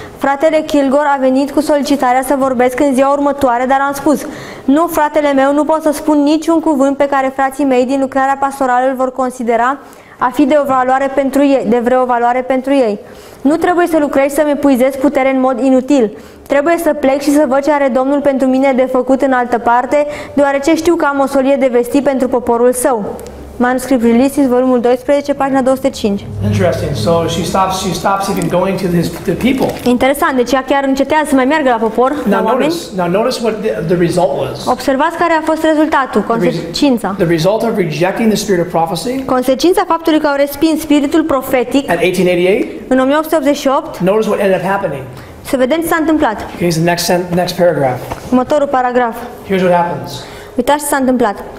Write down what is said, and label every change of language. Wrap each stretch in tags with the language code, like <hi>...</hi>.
<ro>Fratele Kilgore a venit cu solicitarea să vorbesc în ziua următoare, dar am spus: "Nu, fratele meu, nu pot să spun niciun cuvânt pe care frații mei din lucrarea pastorală îl vor considera a fi de o valoare pentru ei, de vreo valoare pentru ei. Nu trebuie să lucrez și să-mi epuizez putere în mod inutil. Trebuie să plec și să văd ce are Domnul pentru mine de făcut în altă parte, deoarece știu că am o solie de vesti pentru poporul său." Manuscript Releases, volumul 12, pagina 205.</ro> <en>Interesting. So she stops even going to the people.</en> <ro>Interesant, deci ea chiar încetează să mai meargă la popor,</ro> <en>now</en> <ro>la</ro> <en>notice,</en> <ro>oameni.</ro> <en>Now notice what the result was.</en> <ro>Observați care a fost rezultatul, consecința.</ro> <en>The result of rejecting the spirit of prophecy.</en> <ro>Consecința faptului că au respins spiritul profetic.</ro> <en>At 1888.</en> <ro>În 1888.</ro> <en>Notice what ended up happening.</en> <ro>Să vedem ce s-a întâmplat.</ro> <en>Okay, the next paragraph.</en> <ro>Următorul paragraf.</ro> <en>Here's what happens.</en> <ro>Uitați ce s-a întâmplat.</ro>